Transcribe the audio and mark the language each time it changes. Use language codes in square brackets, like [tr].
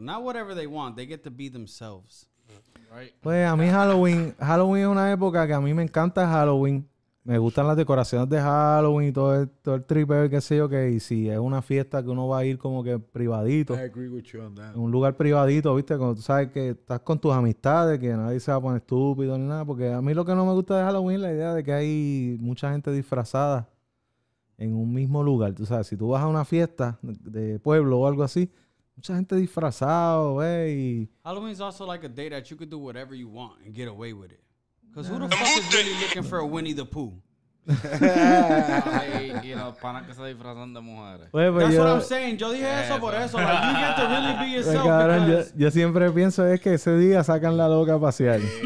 [en] Not whatever they want, they get to be themselves. Right? [es] Pues a mí Halloween es una época que a mí me encanta Halloween. Me gustan las decoraciones de Halloween y todo el tripeo y qué sé yo qué. Y si es una fiesta que uno va a ir como que privadito. [en] I agree with you on that. [es] En un lugar privadito, ¿viste? Cuando tú sabes que estás con tus amistades, que nadie se va a poner estúpido ni nada. Porque a mí lo que no me gusta de Halloween es la idea de que hay mucha gente disfrazada en un mismo lugar. Tú sabes, si tú vas a una fiesta de pueblo o algo así, mucha gente disfrazada, güey. [en] Halloween is also like a day that you could do whatever you want and get away with it. Because who the fuck is really looking for a Winnie the Pooh? [es] Y los panas que se disfrazan de mujeres. [en] That's what I'm saying. [es] Yo dije eso por eso. [en] Like, you get to really be yourself. [es] Cabrón, yo siempre pienso es que ese día sacan la loca a pasear.